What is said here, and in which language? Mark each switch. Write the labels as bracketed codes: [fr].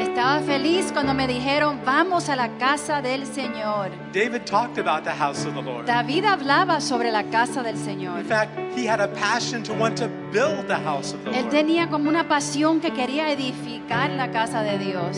[es] Estaba feliz cuando me dijeron, vamos a la casa del Señor. [en] David talked about the house of the Lord. [es] David hablaba sobre la casa del Señor. [en] In fact, he had a passion to want to build the house of the Lord. [es] Él tenía como una pasión que quería edificar la casa de Dios.